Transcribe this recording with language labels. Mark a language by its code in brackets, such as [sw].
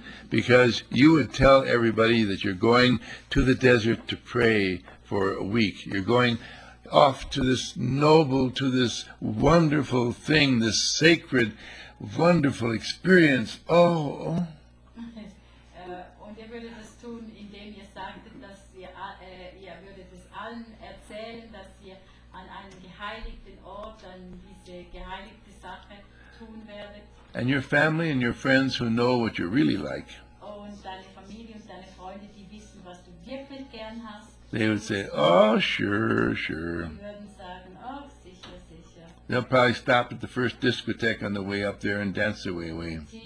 [en] Because you would tell everybody that you're going to the desert to pray for a week. You're going off to this noble, to this wonderful thing, this sacred, wonderful experience. Oh. [de] Und ihr würdet das tun, indem ihr sagtet, dass ihr würdet es allen erzählen, dass ihr an einem geheiligten Ort an diese geheiligte Sache tun werdet. [en] And your family and your friends who know what you're really like. [de] Und deine Familie und deine Freunde, die wissen, was du wirklich gern hast. [en] They would say, oh, sure, sure. [de] Sagen, oh, sicher, sicher. [en] They'll probably stop at the first discotheque on the way up there and dance their way away.